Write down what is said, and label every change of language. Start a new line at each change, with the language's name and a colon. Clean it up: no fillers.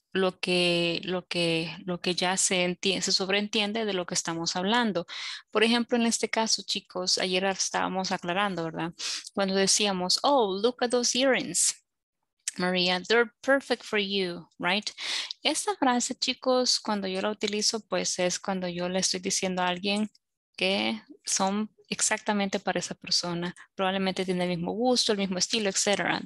Spanish: Lo que ya se sobreentiende de lo que estamos hablando. Por ejemplo, en este caso, chicos, ayer estábamos aclarando, ¿verdad? Cuando decíamos,
English: oh, look at those earrings, Maria, they're perfect for you, right?
Spanish: Esta frase, chicos, cuando yo la utilizo, pues es cuando yo le estoy diciendo a alguien que son exactamente para esa persona. Probablemente tiene el mismo gusto, el mismo estilo, etc.